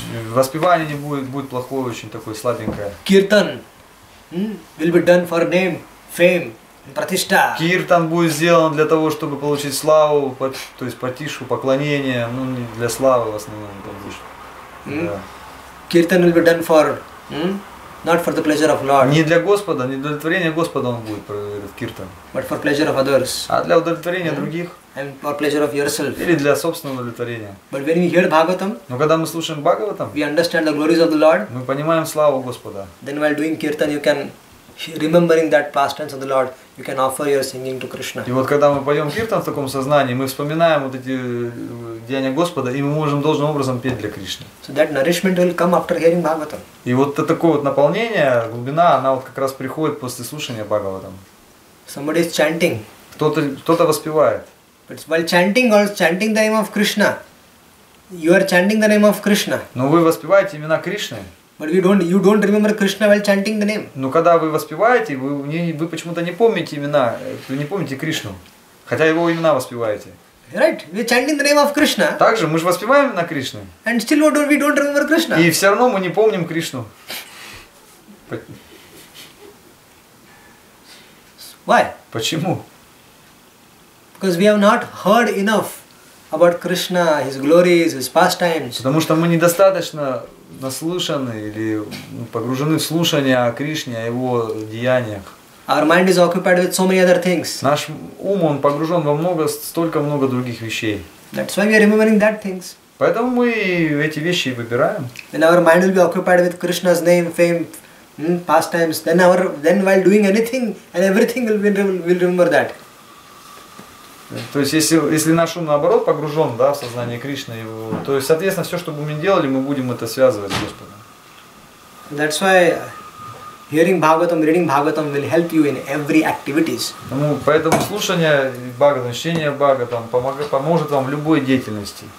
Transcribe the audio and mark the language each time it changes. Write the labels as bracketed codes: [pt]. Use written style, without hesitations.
[ru] Воспевание не будет, будет плохое, очень такое слабенькое. [en] Kirtan will be done for name, fame. Пратишта. [ru] Киртан будет сделан для того, чтобы получить славу, то есть потишу, поклонение, ну не для славы в основном. [en] Киртан will be done for, not for the pleasure of Lord. [ru] Не для Господа, не для удовлетворения Господа он будет этот киртан. [en] But for pleasure of others. [ru] А для удовлетворения других? [en] And for pleasure of yourself. [ru] Или для собственного удовлетворения. [en] But when we hear Bhagavatam. [ru] Но когда мы слушаем Бхагаватам. [en] We understand the glories of the Lord. [ru] Мы понимаем славу Господа. [en] Then while doing kirtan, you can. Remembering that past tense of the Lord, you can offer your singing to Krishna. [ru] И вот когда мы поем киртан в таком сознании, мы вспоминаем вот эти деяния Господа, и мы можем должным образом петь для Кришны. [en] So that nourishment will come after hearing Bhagavatam. [ru] И вот это такое вот наполнение, глубина, она вот как раз приходит после слушания Бхагаватам. [en] Somebody is chanting. [ru] Кто-то воспевает. [en] But while chanting or chanting the name of Krishna, you are chanting the name of Krishna. [ru] Но вы воспеваете имена Кришны. [en] But you don't remember Krishna while chanting the name. [ru] Но когда вы воспеваете, вы почему-то не помните имена, вы не помните Кришну, хотя его имена воспеваете. [en] Right, we are chanting the name of Krishna. [ru] Также мы же воспеваем имена Кришны. [en] And still we don't remember Krishna. [ru] И все равно мы не помним Кришну. [en] Why? [ru] Почему? [en] Because we have not heard enough about Krishna, his glories, his pastimes. [ru] Потому что мы недостаточно наслышаны или погружены в слушание о Кришне, о его деяниях. [en] Our mind is occupied with so many other things. [ru] Наш ум он погружен во много, столько много других вещей. [en] That's why we are remembering that things. [ru] Поэтому мы эти вещи и выбираем. [en] When our mind will be occupied with Krishna's name, fame, pastimes, then while doing anything and everything will remember that. [ru] То есть если наш ум наоборот погружен, да, в сознание Кришны, то есть, соответственно, все, что бы мы делали, мы будем это связывать с Господом. [en] That's why hearing Bhagavatam, reading Bhagavatam will help you in every activities. [ru] Ну, поэтому слушание Бхагавата, чтение Бхагаватам поможет вам в любой деятельности.